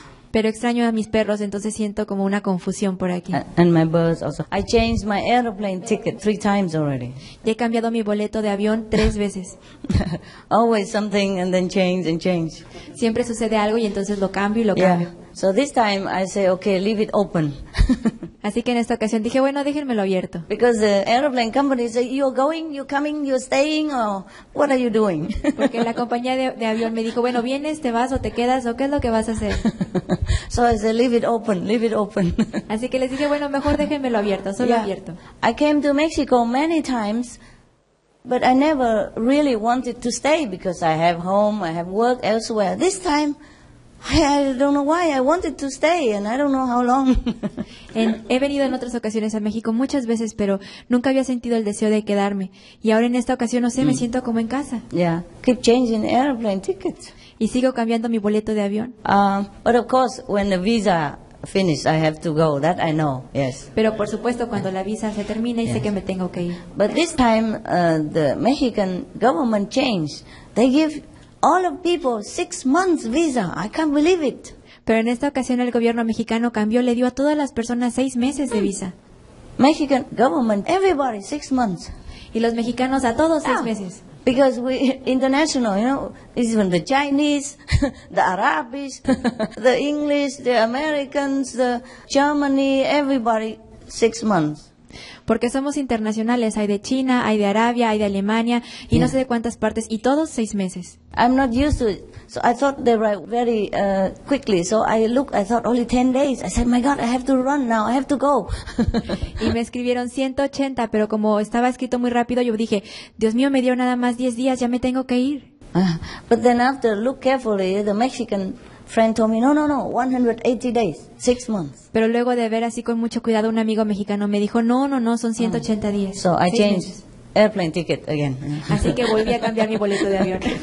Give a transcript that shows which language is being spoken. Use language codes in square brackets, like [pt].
[es] Pero extraño a mis perros, entonces siento como una confusión por aquí. [en] And my birds also. I changed my airplane ticket 3 times already. [es] Y he cambiado mi boleto de avión 3 veces. [en] Always something and then change and change. [es] Siempre sucede algo y entonces lo cambio y lo cambio. [en] Yeah. So this time I say, okay, leave it open. [es] Así que en esta ocasión dije, bueno, déjenmelo abierto. [en] Because the airplane company say, you're going, you're coming, you're staying, or what are you doing? [es] Porque la compañía de avión me dijo, bueno, vienes, te vas o te quedas, o qué es lo que vas a hacer. [en] So I say, leave it open, leave it open. [es] Así que les dije, bueno, mejor déjenmelo abierto, solo [en] yeah. [es] Abierto. [en] I came to Mexico many times, but I never really wanted to stay because I have home, I have work elsewhere. This time, I don't know why I wanted to stay and I don't know how long. [es] He venido en otras ocasiones a México muchas veces, pero nunca había sentido el deseo de quedarme. Y ahora en esta ocasión, no sé, me siento como en casa. [en] Yeah, keep changing airplane tickets. [es] Y sigo cambiando mi boleto de avión. [en] But of course, when the visa finished, I have to go. That I know. Yes. [es] Pero por supuesto cuando la visa se termina y sé que me tengo que ir. [en] But this time the Mexican government changed. They give all of people 6 months visa. I can't believe it. [es] Pero en esta ocasión el gobierno mexicano cambió, le dio a todas las personas 6 meses de visa. [en] Mexican government, everybody 6 months. [es] Y los mexicanos a todos 6 meses. [en] Because we international, you know, even the Chinese, the Arabs, the English, the Americans, the Germany, everybody 6 months. [es] Porque somos internacionales, hay de China, hay de Arabia, hay de Alemania y no sé de cuántas partes y todos 6 meses. [en] I'm not used to it, so I thought they write very quickly. So I looked, I thought only 10 days. I said, my God, I have to run now, I have to go. [es] Y me escribieron 180, pero como estaba escrito muy rápido, yo dije, Dios mío, me dio nada más 10 días, ya me tengo que ir. [en] But then after look carefully, the Mexican friend told me, no, no, no, 180 days, 6 months. [es] Pero luego de ver así con mucho cuidado, un amigo mexicano me dijo, no, no, no, son 180 días. [en] So I changed airplane ticket again. [es] Así que volví a cambiar mi boleto de avión.